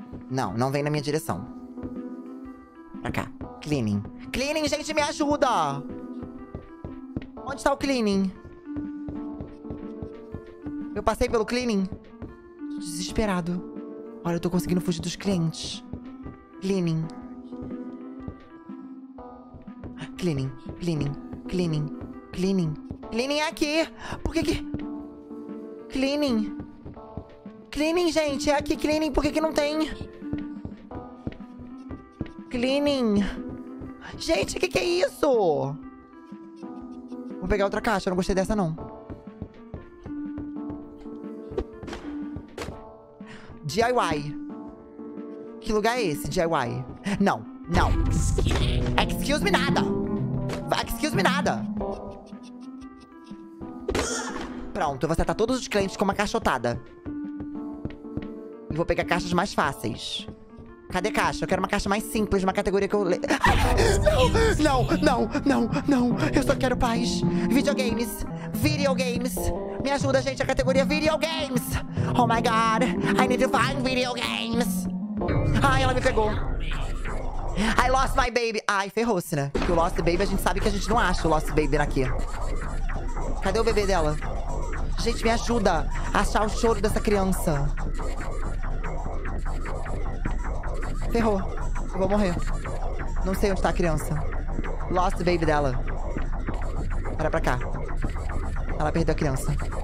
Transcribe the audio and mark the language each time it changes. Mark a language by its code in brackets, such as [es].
[pt] Não, não vem na minha direção. Pra cá. Cleaning. Cleaning, gente, me ajuda! Onde tá o cleaning? Eu passei pelo cleaning? Tô desesperado. Olha, eu tô conseguindo fugir dos clientes. [en] Cleaning. Cleaning, cleaning, cleaning, cleaning. [pt] Cleaning é aqui! Por que que... Cleaning. Cleaning, gente, é aqui. Cleaning, por que que não tem? Cleaning. Gente, que é isso? Vou pegar outra caixa, eu não gostei dessa, não. DIY. Que lugar é esse, DIY? Não, não. [en] Excuse me nada. Excuse me nada. [pt] Pronto, eu vou acertar todos os clientes com uma caixotada. E vou pegar caixas mais fáceis. Cadê caixa? Eu quero uma caixa mais simples, uma categoria que eu le... Não, não, não, não, não. Eu só quero paz. Videogames. Videogames. Me ajuda, gente, a categoria videogames. [en] Oh my god. I need to find videogames. [pt] Ai, ela me pegou. [en] I lost my baby. [pt] Ai, ferrou-se, né? Porque o lost baby, a gente sabe que a gente não acha o lost baby aqui. Cadê o bebê dela? Gente, me ajuda a achar o choro dessa criança. Ferrou. Eu vou morrer. Não sei onde tá a criança. Lost baby dela. Olha pra cá. Ela perdeu a criança.